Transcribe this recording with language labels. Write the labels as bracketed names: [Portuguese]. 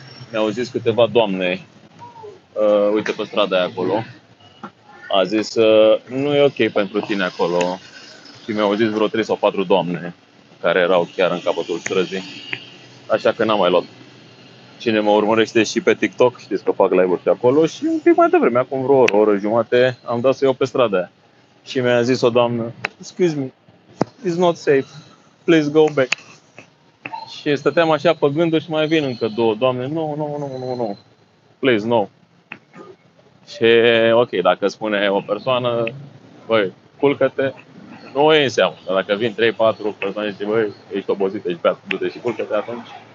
[Romanian] Mi-au zis câteva doamne, uite pe strada aia acolo, a zis, nu e ok pentru tine acolo. Și mi-au zis vreo 3 sau 4 doamne care erau chiar în capătul străzii. Așa că n-am mai luat. Cine mă urmărește și pe TikTok, știți că fac live-uri acolo și un pic mai devreme, acum vreo oră, oră jumate, am dat să iau pe strada aia. Și mi-a zis o doamnă, [English] excuse me, it's not safe, please go back. [Romanian] Și stăteam așa pe gânduri și mai vin încă două doamne, [English] no, no, no, no, no, please, no. [Romanian] Și ok, dacă spune o persoană, băi, culcă-te, nu o iei în seamă. Dar dacă vin 3-4 persoane și zic, băi, ești obosit, ești beat, du-te și culcă-te atunci.